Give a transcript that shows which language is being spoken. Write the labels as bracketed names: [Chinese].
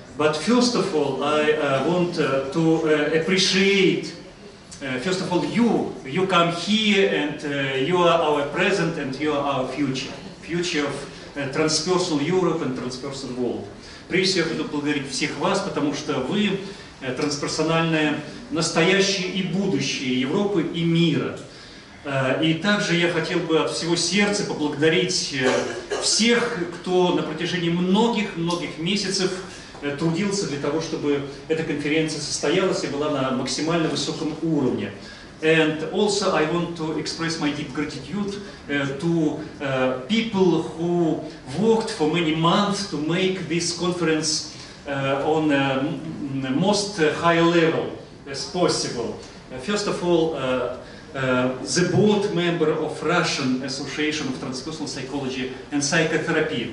[English] But first of all, I want to appreciate, first of all, you come here and you are our present and you are our future of transpersonal Europe and transpersonal world. [Russian] Прежде всего, я хочу поблагодарить всех вас, потому что вы трансперсональное настоящее и будущее Европы и мира. И также я хотел бы от всего сердца поблагодарить всех, кто на протяжении многих-многих месяцев трудился для того, чтобы эта конференция состоялась и была на максимально высоком уровне. [English] And also I want to express my deep gratitude to people who worked for many months to make this conference on the most high level as possible. First of all, the board member of Russian Association of Transpersonal Psychology and Psychotherapy.